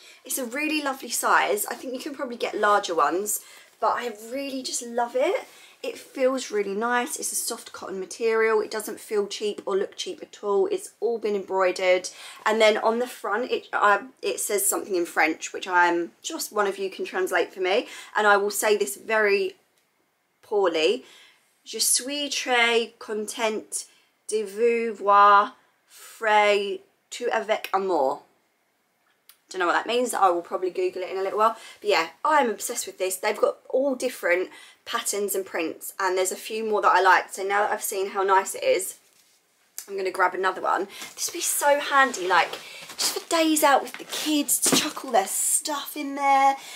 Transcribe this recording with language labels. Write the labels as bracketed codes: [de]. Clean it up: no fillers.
[en] It's a really lovely size. I think you can probably get larger ones, but I really just love it. It feels really nice. It's a soft cotton material. It doesn't feel cheap or look cheap at all. It's all been embroidered. And then on the front, it says something in French, which I'm just, one of you can translate for me. And I will say this very poorly. [fr] Je suis très contente de vous voir frais tout avec amour. [en] Don't know what that means. I will probably Google it in a little while. But yeah, I am obsessed with this. They've got all different patterns and prints, and there's a few more that I like. So now that I've seen how nice it is, I'm going to grab another one. This would be so handy, like, just for days out with the kids to chuck all their stuff in there.